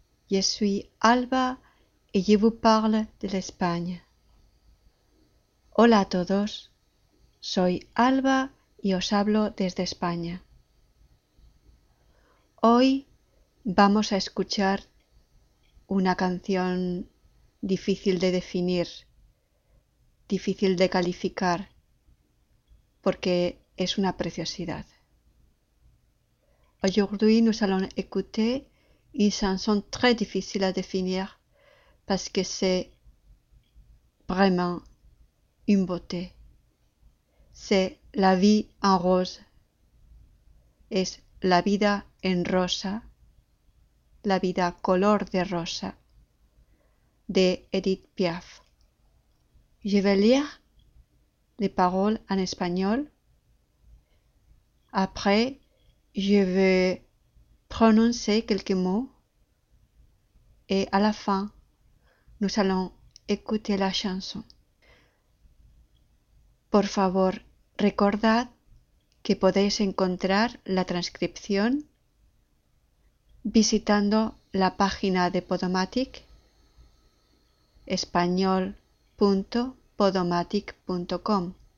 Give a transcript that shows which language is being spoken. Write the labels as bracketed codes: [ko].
[fr] Je suis Alba et je vous parle de l'Espagne. [es] Hola a todos. Soy Alba y os hablo desde España. Hoy vamos a escuchar una canción difícil de definir, difícil de calificar, porque es una preciosidad. [fr] Aujourd'hui, nous allons écouter une chanson très difficile à définir parce que c'est vraiment une beauté. C'est La vie en rose. [es] Es La vida en rosa. La vida color de rosa. De Edith Piaf. [fr] Je vais lire les paroles en espagnol. Après, je vais prononcer quelques mots et à la fin, nous allons écouter la chanson. [es] Por favor, recordad que podéis encontrar la transcripción visitando la página de Podomatic, español.podomatic.com.